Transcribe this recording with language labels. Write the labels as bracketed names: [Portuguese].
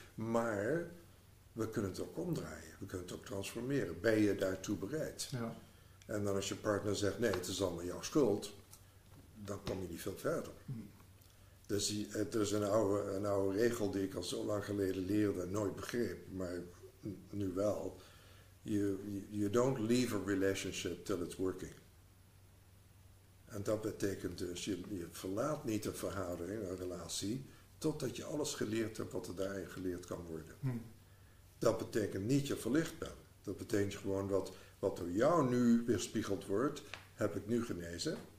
[Dutch] Maar we kunnen het ook omdraaien, we kunnen het ook transformeren. Ben je daartoe bereid? Ja. En dan als je partner zegt, nee, het is allemaal jouw schuld, dan kom je niet veel verder. Hm. Dus er is een oude regel die ik al zo lang geleden leerde en nooit begreep, maar nu wel. [English] You don't leave a relationship till it's working. [Dutch] En dat betekent dus, je verlaat niet een verhouding, een relatie, totdat je alles geleerd hebt wat er daarin geleerd kan worden. Hmm. Dat betekent niet je verlicht bent. Dat betekent gewoon wat door jou nu weerspiegeld wordt, heb ik nu genezen.